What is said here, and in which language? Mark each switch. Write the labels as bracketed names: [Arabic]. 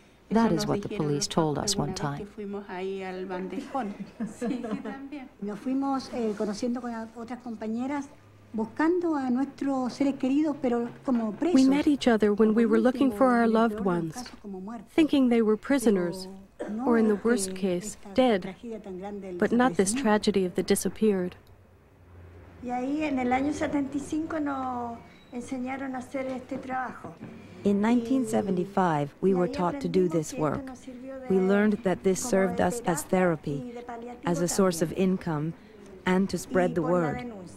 [English] That is what the police told us one time. [Spanish] Nos fuimos conociendo con otras compañeras, buscando a nuestros seres queridos, pero como presos. [English] We met each other when we were looking for our loved ones, thinking they were prisoners, or in the worst case, dead, but not this tragedy of the disappeared. [Spanish] Y ahí en el año 75 nos enseñaron a hacer este trabajo. [English] In 1975, we were taught to do this work. We learned that this served us as therapy, as a source of income, and to spread the word.